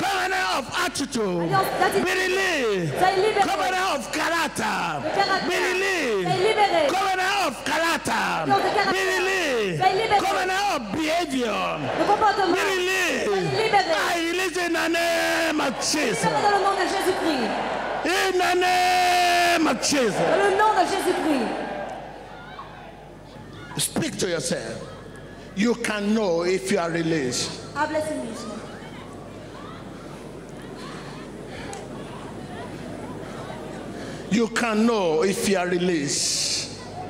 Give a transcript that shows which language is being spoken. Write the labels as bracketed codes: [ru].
[en] Covenant of attitude. Be released. Covenant of character. Be released. Covenant of character. Be released. Covenant of behavior. Be released. I release in the name of Jesus. In the name name of Jesus. [fr] Dans le nom de Jésus-Christ. [en] Speak to yourself. You can know if you are released. [fr] Parle à toi-même. [en] You can know if you are released.